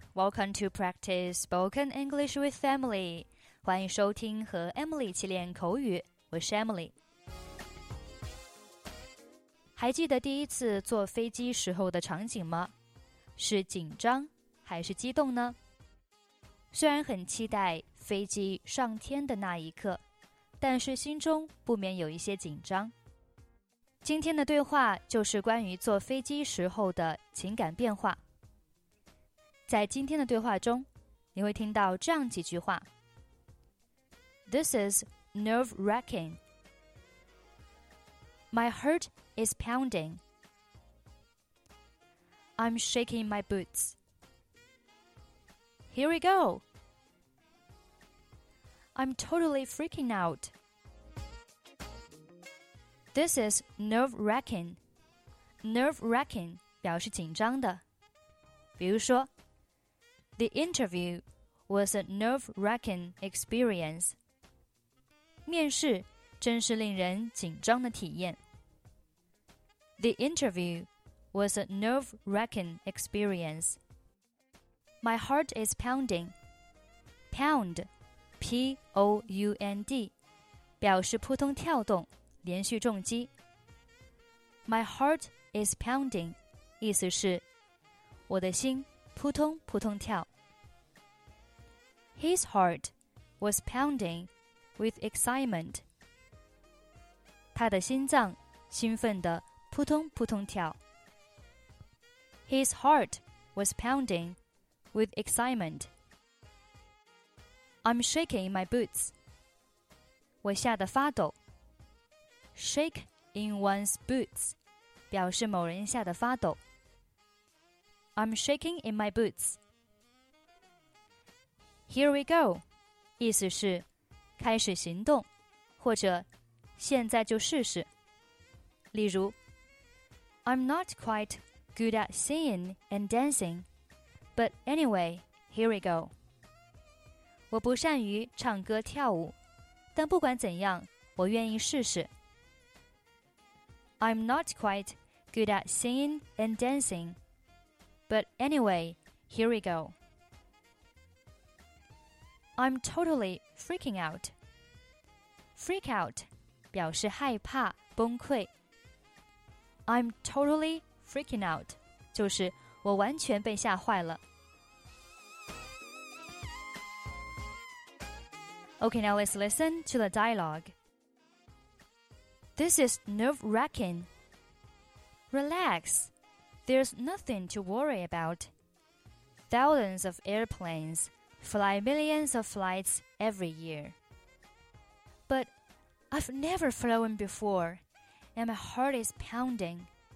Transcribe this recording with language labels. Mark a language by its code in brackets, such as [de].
[en] Welcome to Practice Spoken English with Emily. [zh] 欢迎收听和 Emily 一起练口语。我是 Emily。还记得第一次坐飞机时候的场景吗？是紧张还是激动呢？虽然很期待飞机上天的那一刻，但是心中不免有一些紧张。今天的对话就是关于坐飞机时候的情感变化。在今天的对话中，你会听到这样几句话。 [en] This is nerve-wracking. My heart is pounding. I'm shaking my boots. Here we go. I'm totally freaking out. This is nerve-wracking. [zh] Nerve-wracking 表示紧张的。比如说 [en] The interview was a nerve-wracking experience. [zh] 面试真是令人紧张的体验。 [en] The interview was a nerve-wracking experience. My heart is pounding. [zh] Pound, P-O-U-N-D, 表示扑通跳动，连续重击。 [en] My heart is pounding, [zh] 意思是我的心扑通扑通跳。 [en] His heart was pounding with excitement. [zh] 他的心脏兴奋地扑通扑通跳。 [en] His heart was pounding with excitement. I'm shaking my boots. [zh] 我吓得发抖。 [en] Shake in one's boots [zh] 表示某人吓得发抖。 [en] I'm shaking in my boots. [zh] Here we go, 意思是开始行动，或者现在就试试。例如 [en] I'm not quite good at singing and dancing, but anyway, here we go. [zh] 我不善于唱歌跳舞，但不管怎样，我愿意试试。 [en] I'm not quite good at singing and dancing, but anyway, here we go. I'm totally freaking out. Freak out [zh] 表示害怕、崩溃。 [en] I'm totally freaking out [zh] 就是我完全被吓坏了。 [en] Okay, now let's listen to the dialogue. This is nerve-wracking. Relax. There's nothing to worry about. Thousands of airplanes. Fly millions of flights every year. But I've never flown before, and my heart is pounding.